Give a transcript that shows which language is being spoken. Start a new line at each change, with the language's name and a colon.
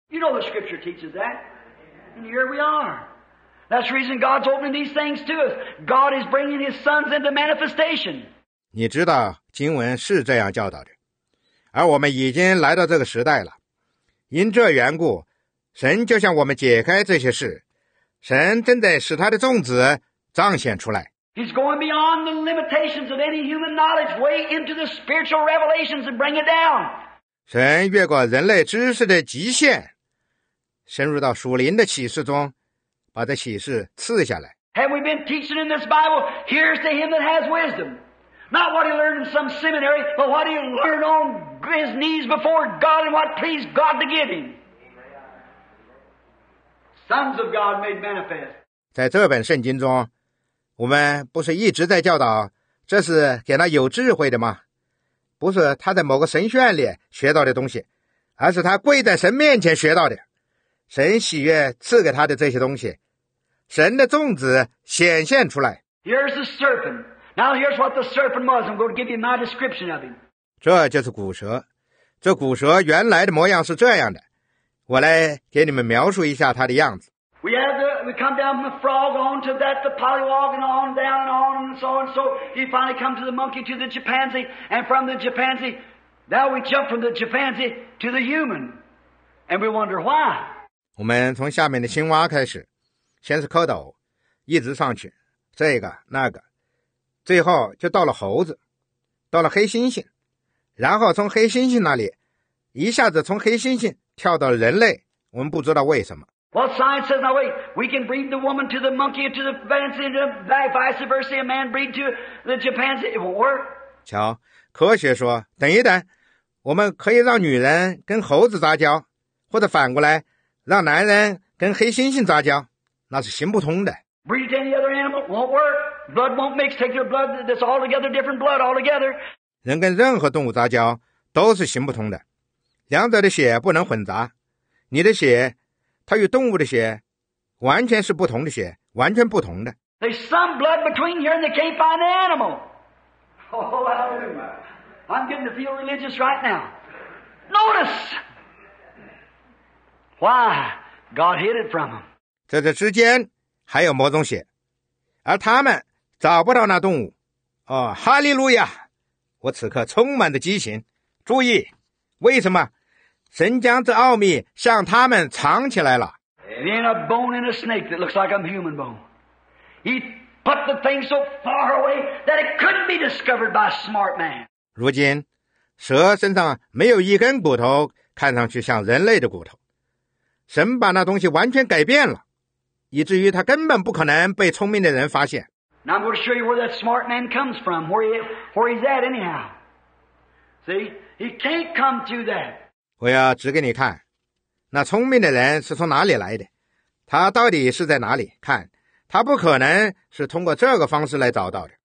English: You know the scripture teaches that, and here we are. That's the reason God's opening these things to us. God is bringing His sons into manifestation.
Chinese: 你知道经文是这样教导的，而我们已经来到这个时代了。因这缘故，神就向我们解开这些事，神正在使他的众子彰显出来。
English: He's going beyond the limitations of any human knowledge way into the spiritual revelations and bring it down.
Chinese: 神越过人类知识的极限，深入到属灵的启示中，把这启示赐下来。
English: Have we been teaching in this Bible? Here's to him that has wisdom, not what he learned in some seminary, but what he learned on his knees before God and what pleased God to give him. Sons of God made manifest.
Chinese: 在这本圣经中，我们不是一直在教导，这是给那有智慧的吗？不是他在某个神学院里学到的东西，而是他跪在神面前学到的。神喜悦赐给他的这些东西，神的种子显现出来。
English: Here's the serpent. Now here's what the serpent was. I'm going to give you my description of him.
Chinese: 这就是蛊蛇，这蛊蛇原来的模样是这样的。我来给你们描述一下它的样子。
English: We come down from the frog on to that the polywog and on down and on and so on and so. You finally come to the monkey to the chimpanzee and from the chimpanzee, now we jump from the chimpanzee to the human, and we wonder why.
Chinese: 我们从下面的青蛙开始，先是蝌蚪，一直上去，这个那个，最后就到了猴子，到了黑猩猩，然后从黑猩猩那里，一下子从黑猩猩跳到人类，我们不知道为什么。
English: Well, science says, now wait, we can breed the woman to the monkey, to the fancy, to the vice versa, a man breed to the chimpanzee, it won't work.
Chinese: 瞧，科学说，等一等，我们可以让女人跟猴子杂交，或者反过来让男人跟黑猩猩杂交，那是行不通的。
English: Breed any other animal won't work. Blood won't mix. Take your blood. That's altogether different blood altogether.
Chinese: 人跟任何动物杂交都是行不通的，两者的血不能混杂。你的血，它与动物的血完全是不同的血，完全不同的。
English: There's some blood between here and they can't find the animal. Oh, hallelujah! I'm getting to feel religious right now. Notice. Why? God hid it from them.
Chinese: 在这之间还有某种血，而他们找不到那动物。哦，哈利路亚！我此刻充满着激情。注意，为什么神将这奥秘向他们藏起来了
English: ？In a bone in a snake that looks like a human bone, he put the thing so far away that it couldn't be discovered by a smart man.
Chinese: 如今，蛇身上没有一根骨头，看上去像人类的骨头。神把那东西完全改变了，以至于他根本不可能被聪明的人发现。
English: Now I'm going to show you where that smart man comes from, where he's at anyhow. See, he can't come through that.
Chinese: 我要指给你看，那聪明的人是从哪里来的，他到底是在哪里？看，他不可能是通过这个方式来找到的。